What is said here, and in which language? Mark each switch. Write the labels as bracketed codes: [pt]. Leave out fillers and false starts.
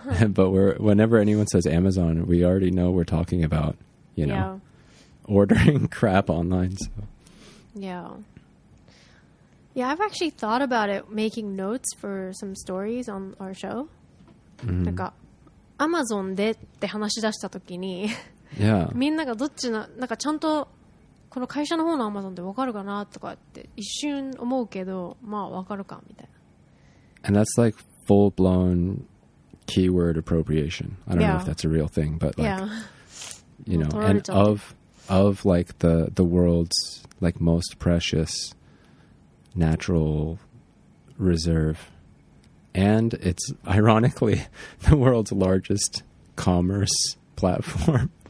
[en] But whenever anyone says Amazon, we already know we're talking about, you know, yeah, ordering crap online. So. Yeah. Yeah, I've actually thought about it, making notes for some stories on our show. Mm-hmm. [ja] なんか、Amazon でって話し出したときに、 [en] yeah. [ja] みんながどっちの、なんかちゃんと、この会社の方のアマゾンってわかるかなとかって一瞬思うけど、まあわかるかみたいな。 [en] And that's like full blown keyword appropriation. I don't know if that's a real thing, but like, you know, and of like the world's like most precious natural reserve, and it's ironically the world's largest commerce platform.